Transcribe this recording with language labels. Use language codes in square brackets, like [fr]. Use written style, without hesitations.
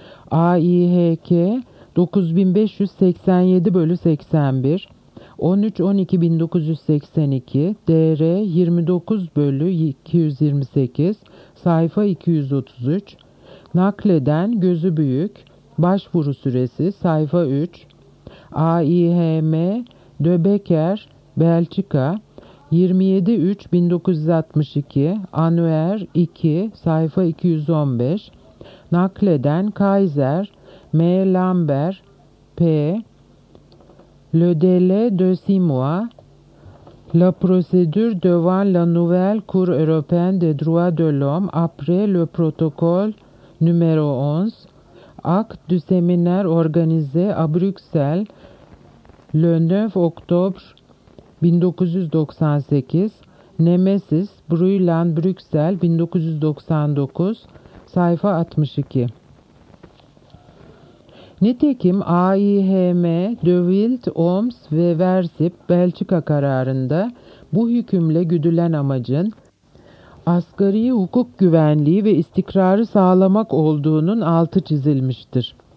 [tr] AİHK 9587/81, 13/12/1982, DR 29/228, sayfa 233, nakleden Gözübüyük, başvuru süresi, sayfa 3, AİHM, Döbeker, Belçika, 27/3/1962, Anuer 2, sayfa 215, nakleden Kaiser, M. Lambert, P. [fr] Le Délai de 6 mois, La procédure devant la nouvelle Cour européenne des droits de l'homme après le protocole numéro 11, acte du séminaire organisé à Bruxelles le 9 octobre 1998, Nemesis, Bruyland, Bruxelles 1999, sayfa 62. [tr] Nitekim AİHM, De Wild, Oms ve Versip, Belçika kararında bu hükümle güdülen amacın asgari hukuk güvenliği ve istikrarı sağlamak olduğunun altı çizilmiştir.